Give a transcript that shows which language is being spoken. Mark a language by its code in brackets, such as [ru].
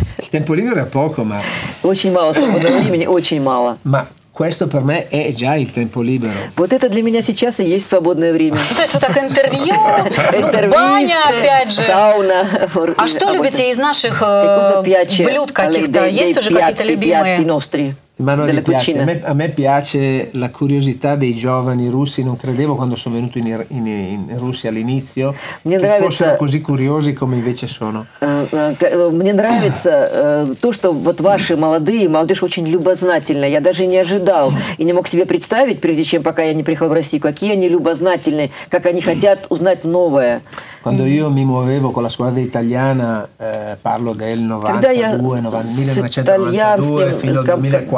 [it] Темпо либеро poco, ma... [ru] Очень мало свободного времени, очень мало. [it] Ma questo per me è già il tempo libero. [ru] Вот это для меня сейчас и есть свободное время. То есть вот так интервью, баня опять же. Сауна. А что любите из наших блюд каких-то? Есть уже какие-то любимые? [it] A me piace la curiosità dei giovani russi. Non credevo quando sono venuto in Russia all'inizio che fossero così curiosi come invece sono. [ru] Мне нравится то, что вот ваши молодые, молодежь очень любознательная. Я даже не ожидал и не мог себе представить, прежде чем пока я не приехал в Россию, какие они любознательные, как они хотят узнать новое. [it] Quando io mi muovevo con la squadra italiana, parlo del 1992